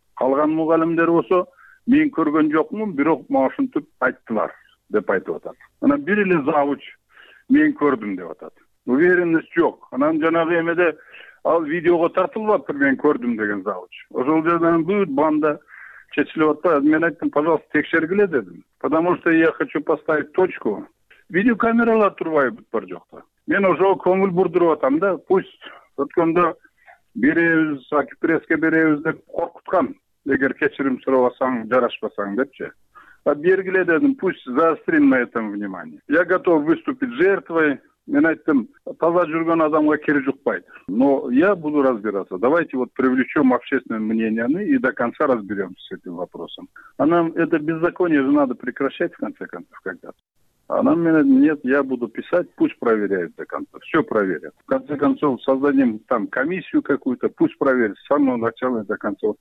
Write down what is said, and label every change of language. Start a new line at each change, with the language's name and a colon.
Kyrgyz: Калган мугалимдер болсо мен көргөн жокмун, бирок мага ушинтип айттылар деп айтып атат. Анан бир эле завуч мен көрдүм деп атат. Уверенность жок. Анан жанагы эмеде ал видеого тартылбаптыр мен көрдүм деген завуч. Ошол жерден бүт банда чечилип атпайбы. Мен айттым, пожалуйста, текшергиле дедим.
Russian: Потому что я хочу поставить точку.
Kyrgyz: Видеокамералар турбайбы бар жокто. Мен ошого көңүл бурдуруп атам да, пусть өткөндө беребиз, акипресске беребиз деп коркуткан. Эгер кечирим сурабасаң, жарашпасаң депчи. А бергиле дедим,
Russian: пусть заострим на этом внимание. Я готов выступить жертвой.
Kyrgyz: Мен айттым, таза жүргөн адамга кири жукпайт.
Russian: Но я буду разбираться. Давайте вот привлечем общественное мнение и до конца разберемся с этим вопросом. А нам это беззаконие же надо прекращать в конце концов когда-то. Она мне нет, я буду писать, пусть проверяют до конца, все проверят. В конце концов, создадим там комиссию какую-то, пусть проверят с самого начала и до конца.